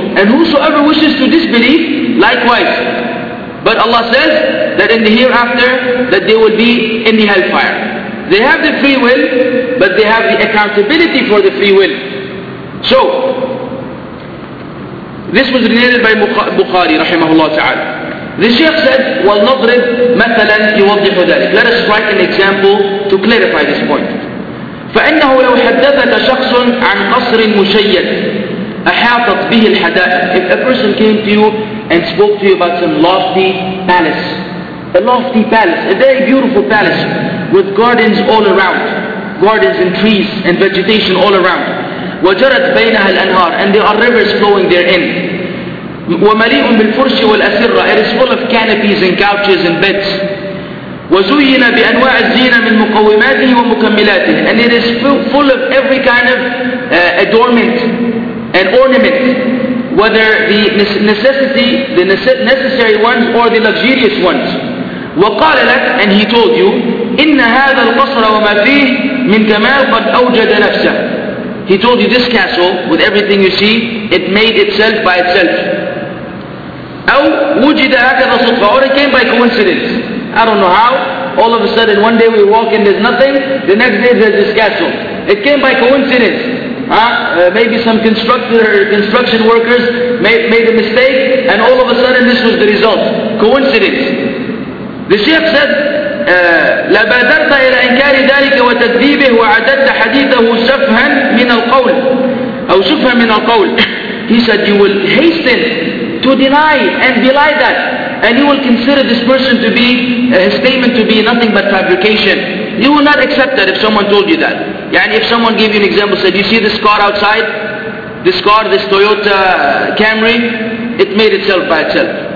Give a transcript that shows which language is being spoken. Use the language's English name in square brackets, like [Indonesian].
[English] And whosoever wishes to disbelieve, likewise. But Allah says that in the hereafter, that they will be in the hellfire. They have the free will, but they have the accountability for the free will. So, this was related by Bukhari, rahimahullah ta'ala. The Shaykh said, [Arabic] وَلْنَضْرِبْ مَثَلًا يُوَضِّحُ ذَلِكَ. [English] Let us write an example to clarify this point. [Arabic] فَإِنَّهُ لَوْ حَدَّثَكَ شَخْصٌ عَنْ قَصْرٍ مُشَيَّدٍ أَحَاطَتْ بِهِ الْحَدَائِقُ. [English] If a person came to you and spoke to you about some lofty palace, a lofty palace, a very beautiful palace with gardens all around, gardens and trees and vegetation all around, [Arabic] وَجَرَتْ بَيْنَهَا الْأَنْهَارِ, [English] and there are rivers flowing therein, [Arabic] وَمَلِيءٌ بِالْفُرْشِ وَالْأَسِرَّةِ, [English] it is full of canopies and couches and beds, [Arabic] وَزُيِّنَ بِأَنْوَاعِ الزِّينَةِ مِنْ مُقَوِّمَاتِهِ وَمُكَمِّلَاتِهِ, [English] and it is full of every kind of adornment and ornament, whether the necessity, the necessary ones or the luxurious ones. [Arabic] وَقَالَ لَكَ, [English] and he told you, [Arabic] إِنَّ هَذَا الْقَصْرَ وَمَا فِيهِ مِنْ كَمَالٍ قَدْ أَوْجَدَ نَفْسَهُ. [English] He told you, this castle, with everything you see, it made itself by itself. [Arabic] أو وجد هكذا صدفة, [English] or it came by coincidence. I don't know how. All of a sudden, one day we walk in, there's nothing. The next day, there's this castle. It came by coincidence. Maybe some construction workers made a mistake, and all of a sudden, this was the result. Coincidence. The Sheikh said, [Arabic] لبادرت إلى إنكار ذلك وتذيبه وعددت حديثه سفها من القول أو سفها من القول. [English] He said, you will hasten to deny and belie that, and you will consider this person to be his statement to be nothing but fabrication. You will not accept that if someone told you that. يعني if someone gave you an example, said, you see this car outside, this car, this Toyota Camry, it made itself by itself.